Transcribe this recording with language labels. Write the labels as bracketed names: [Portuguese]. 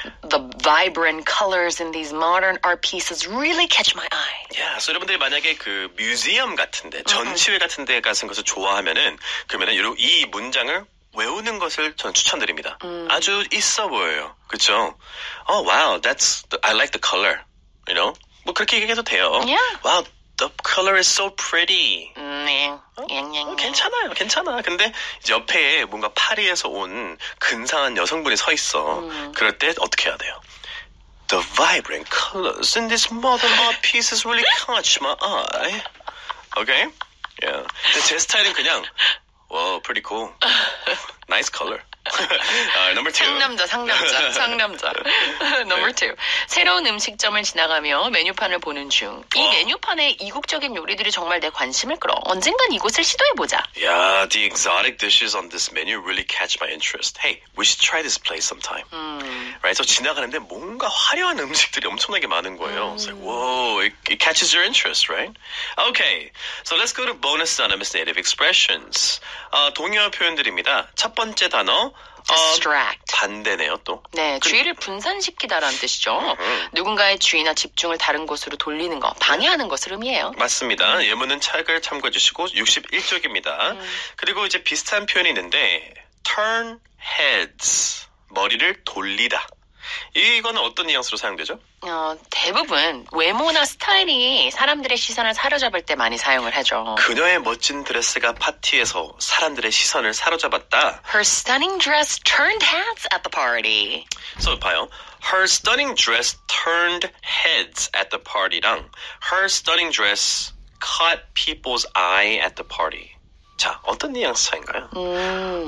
[English] The vibrant colors in these modern art pieces really catch my eye. [Korean] Yeah, so 여러분들이 만약에 그 뮤지엄 같은데, 전시회 같은데 가서 것을 좋아하면은 그러면은 이 문장을 외우는 것을 전 추천드립니다. 아주 있어 보여요, 그렇죠? [English] Oh wow, I like the color. You know, [Korean] 뭐 그렇게 얘기해도 돼요. [English] Yeah. Wow, the color is so pretty. [Korean] 네. 괜찮아요, 괜찮아. 근데 옆에 뭔가 파리에서 온 근사한 여성분이 서 있어. 그럴 때 어떻게 해야 돼요? [English] The vibrant colors in this modern art piece really catch my eye. Okay? [Korean] 근데 제 스타일은 그냥 [English] wow, pretty cool. Nice color. Number two. [Korean] 상남자. [English] Number two. [Korean] 새로운 음식점을 지나가며 메뉴판을 보는 중. 이 메뉴판에 이국적인 요리들이 정말 내 관심을 끌어. 언젠간 이곳을 시도해보자. [English] Yeah, the exotic dishes on this menu really catch my interest. Hey, we should try this place sometime. Right, so [Korean] 지나가는데 뭔가 화려한 음식들이 엄청나게 많은 거예요. [English] It's like, whoa, it catches your interest, right? Okay, so let's go to bonus synonyms, native expressions. [Korean] 동의어 표현들입니다. 첫 번째 단어. [English] Distract. [Korean] 반대네요, 또. 네, 주의를 분산시키다라는 뜻이죠. 누군가의 주의나 집중을 다른 곳으로 돌리는 것, 방해하는 것을 의미해요. 맞습니다. 예문은 책을 참고해주시고 61쪽입니다. 그리고 이제 비슷한 표현이 있는데 turn heads, 머리를 돌리다. 이거는 어떤 뉘앙스로 사용되죠? 대부분 외모나 스타일이 사람들의 시선을 사로잡을 때 많이 사용을 하죠. 그녀의 멋진 드레스가 파티에서 사람들의 시선을 사로잡았다. [English] Her stunning dress turned heads at the party. [Korean] So, 봐요. [English] Her stunning dress turned heads at the party랑 Her stunning dress caught people's eye at the party. [Korean] 자, 어떤 뉘앙스 차인가요?